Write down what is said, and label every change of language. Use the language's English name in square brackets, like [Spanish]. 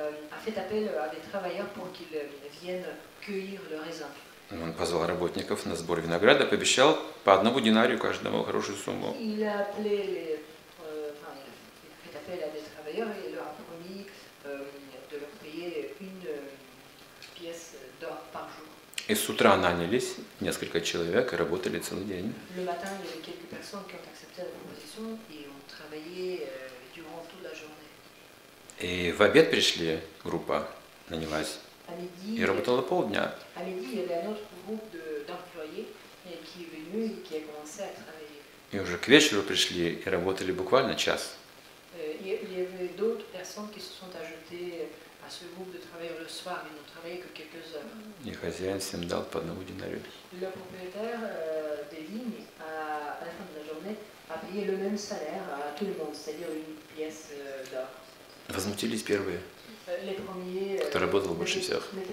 [French] A fait appel à des travailleurs pour qu'ils viennent cueillir le raisin. [Russian] Он позвал работников на сбор винограда, пообещал по одному динарию каждому хорошую сумму. [French] Il a appelé fait appel à des travailleurs et leur a promis de leur payer une pièce d'or par jour. [Russian] И с утра нанялись несколько человек и работали целый день. [French] Le matin, il y avait quelques personnes qui ont accepté la proposition et ont travaillé durant toute la journée. [Russian] И в обед пришли, группа нанялась, и работала полдня. [French] À midi, il y avait un autre groupe d'employés qui est venu et qui a commencé à travailler. [Russian] И уже к вечеру пришли и работали буквально час. [French] Il y avait d'autres personnes qui se sont ajoutées à ce groupe de travailleurs le soir, ils n'ont travaillé que quelques heures. [Russian] И хозяин всем дал по одному динарию. [French] Le propriétaire des vignes, à la fin de la journée, a payé le même salaire à tout le monde, c'est-à-dire une pièce d'or. [Russian] Возмутились первые, кто работал больше всех.